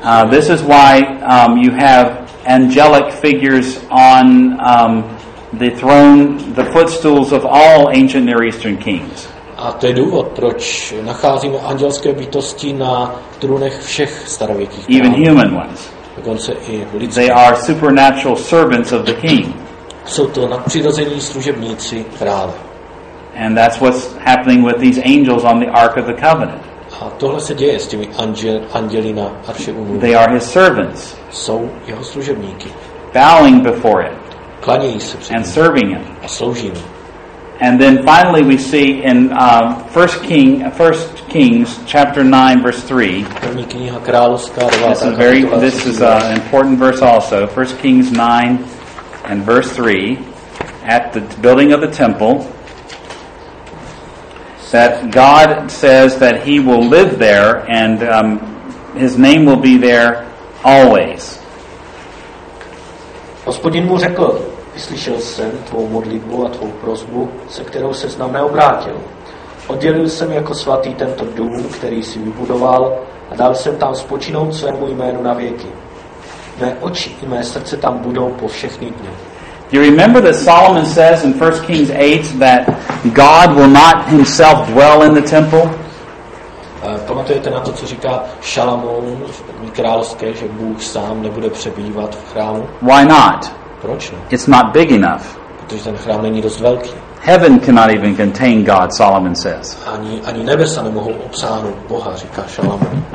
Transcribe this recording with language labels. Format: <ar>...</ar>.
<en>This is why you have angelic figures on the throne, the footstools of all ancient Near Eastern kings.</en> <cs>A to je důvod, proč nacházíme andělské bytosti na trůnech všech starověkých králů.</cs> <en>Even human ones.</en> <cs>Dokonce i lidské.</cs> <en>They are supernatural servants of the king.</en> <cs>Jsou to nadpřirození služebníci krále.</cs> <en>And that's what's happening with these angels on the Ark of the Covenant.</en> <cs>A tohle se děje s těmi anděli na Arše Úmluvy.</cs> <en>They are his servants.</en> <cs>Jsou jeho služebníky.</cs> <en>Bowing before it.</en> <cs>Klanějí se před ním.</cs> <en>And serving him.</en> <cs>A slouží mu.</cs> <en>And then finally we see in 1 Kings chapter 9 verse 3.</en> <cs>První kniha královská,</cs> <en>this is an important verse also. 1 Kings 9 and verse 3 at the building of the temple. That God says that he will live there and his name will be there always.</en> <cs>Hospodin mu řekl, vyslyšel jsem tvou modlitbu a tvou prosbu, se kterou ses na mne obrátil. Oddělil jsem jako svatý tento dům, který jsi vybudoval, a dal jsem tam spočinout svému jménu na věky. Mé oči i mé srdce tam budou po všechny dny.</cs> <en>Do you remember that Solomon says in 1 Kings 8 that God will not himself dwell in the temple?</en> <cs>Pamatujete na to, co říká Šalamoun v první královské, že Bůh sám nebude přebývat v chrámu?</cs> <en>Why not?</en> <cs>Proč ne?</cs> <en>It's not big enough.</en> <cs>Protože ten chrám není dost velký.</cs> <en>Heaven cannot even contain God, Solomon says.</en> <cs>Ani nebesa nemohou obsáhnout Boha, říká Šalamoun.</cs>